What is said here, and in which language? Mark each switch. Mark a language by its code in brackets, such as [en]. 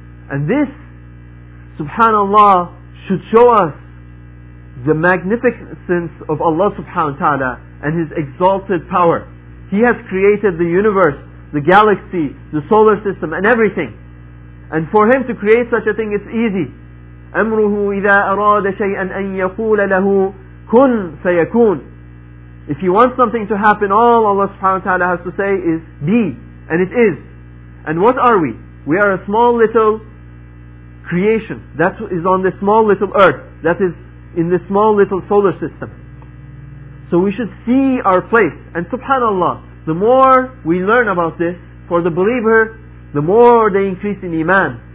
[en] And this, subhanallah, should show us the magnificence of Allah subhanahu wa ta'ala and His exalted power. He has created the universe, the galaxy, the solar system, and everything. And for Him to create such a thing is easy. [ar] أَمْرُهُ إِذَا أَرَادَ شَيْئًا أَن يَقُولَ لَهُ كُنْ سَيَكُونَ. [en] If He wants something to happen, all Allah subhanahu wa ta'ala has to say is be, and it is. And what are we? We are a small little creation that is on this small little earth, that is in this small little solar system. So we should see our place. And subhanallah, the more we learn about this, for the believer, the more they increase in iman.